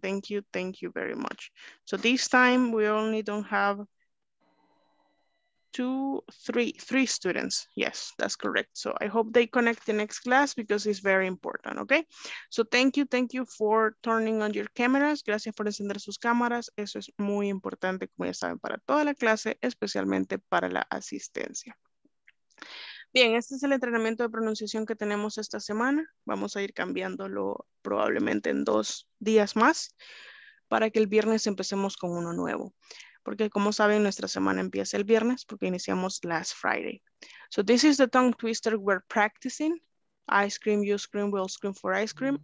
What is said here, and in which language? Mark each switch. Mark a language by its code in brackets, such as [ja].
[en] Thank you. Thank you very much. So this time we only don't have three students. Yes, that's correct. So I hope they connect the next class because it's very important, okay? So thank you for turning on your cameras. [es] Gracias por encender sus cámaras. Eso es muy importante, como ya saben, para toda la clase, especialmente para la asistencia. Bien, este es el entrenamiento de pronunciación que tenemos esta semana. Vamos a ir cambiándolo probablemente en dos días más para que el viernes empecemos con uno nuevo. Porque como saben, nuestra semana empieza el viernes porque iniciamos [en] last Friday. So this is the tongue twister we're practicing. Ice cream, you scream, we'll scream for ice cream.